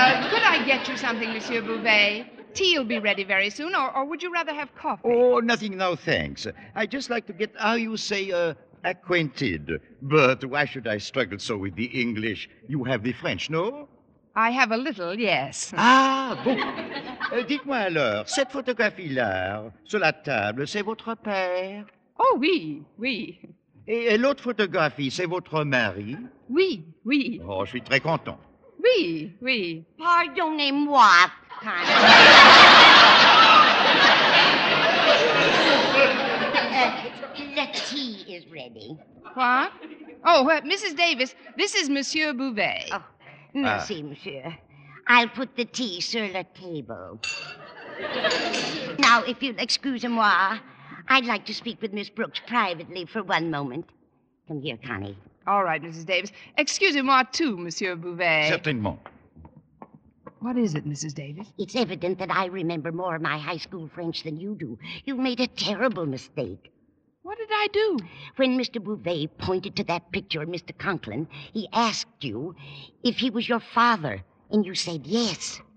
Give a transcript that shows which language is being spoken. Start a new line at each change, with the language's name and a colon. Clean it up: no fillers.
English: could I get you something, Monsieur Bouvet? Tea will be ready very soon, or would you rather have coffee? Oh, nothing now, thanks. I'd just like to get, how you say, acquainted. But why should I struggle so with the English? You have the French, no? I have a little, yes.
French: Ah, bon. Dites-moi alors, cette photographie-là, sur la table, c'est votre père? Oh, oui, oui. Et l'autre photographie, c'est votre mari? Oui, oui. Oh, je suis très content. Oui, oui. Pardonnez-moi, quand même.
English: The tea is ready. What? Oh, Mrs. Davis, this is Monsieur Bouvet.
French: Oh, merci, monsieur.
English: I'll put the tea
French: sur la table.
English: Now, if you'll excuse moi, I'd like to speak with Miss Brooks privately for one moment. Come here, Connie. All right, Mrs. Davis.
French: Excusez-moi, too, Monsieur Bouvet. Certainement.
English: What is it, Mrs. Davis? It's evident that I remember more of my high school French than you do. You've made a terrible mistake. What did I do? When Mr. Bouvet pointed to that picture of Mr. Conklin, he asked you if he was your father, and you said yes.